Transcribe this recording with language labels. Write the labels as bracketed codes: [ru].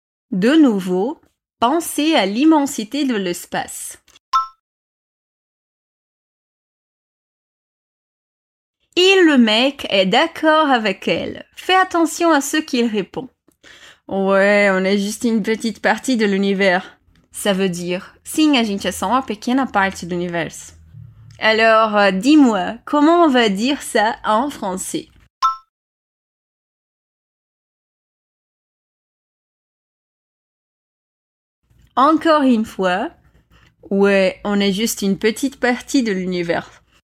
[fr] De nouveau, « penser à l'immensité de l'espace ». Et le mec est d'accord avec elle. Fais attention à ce qu'il répond. Ouais, on est juste une petite partie de l'univers. Ça veut dire, [pt] sim, a gente é só uma pequena parte do universo. [fr] Alors, dis-moi, comment on va dire ça en français? Encore une fois, ouais, on est juste une petite partie de l'univers.